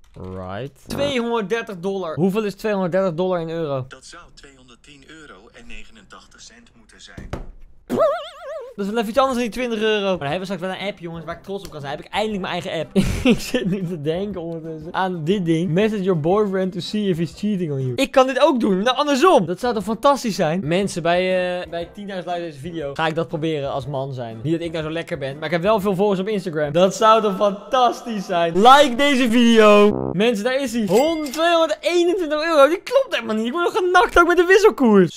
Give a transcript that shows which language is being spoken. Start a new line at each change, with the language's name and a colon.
English: Right.
Dutch: $230. Hoeveel is $230 in euro? Dat zou €210,89 moeten zijn. Dat is wel even iets anders dan die €20. Maar dan hebben we straks wel een app, jongens, waar ik trots op kan zijn. Heb ik eindelijk mijn eigen app. Ik zit nu te denken ondertussen aan dit ding.
English: Message your boyfriend to see if he's cheating on you.
Dutch: Ik kan dit ook doen. Nou, andersom. Dat zou toch fantastisch zijn? Mensen, bij 10.000 likes deze video ga ik dat proberen als man zijn. Niet dat ik daar zo lekker ben, maar ik heb wel veel volgers op Instagram. Dat zou toch fantastisch zijn? Like deze video. Mensen, daar is hij. €221. Die klopt helemaal niet. Ik word nog genakt ook met de wisselkoers.